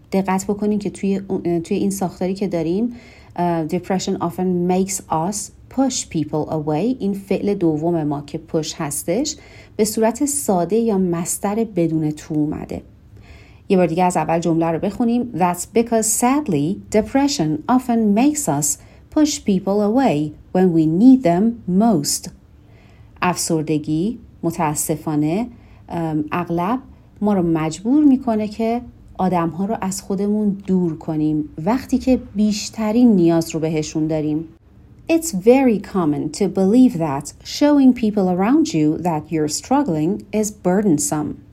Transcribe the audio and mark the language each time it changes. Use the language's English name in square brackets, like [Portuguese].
[Persian] دقت بکنیم که توی این ساختاری که داریم [English] depression often makes us push people away. [Persian] این فعل دوم ما که push هستش به صورت ساده یا مصدر بدون تو اومده. یه بار دیگه از اول جمله رو بخونیم. [English] That's because sadly depression often makes us push people away when we need them most. [Persian] افسردگی متاسفانه اغلب ما رو مجبور میکنه که آدم ها رو از خودمون دور کنیم وقتی که بیشترین نیاز رو بهشون داریم. [English] It's very common to believe that showing people around you that you're struggling is burdensome.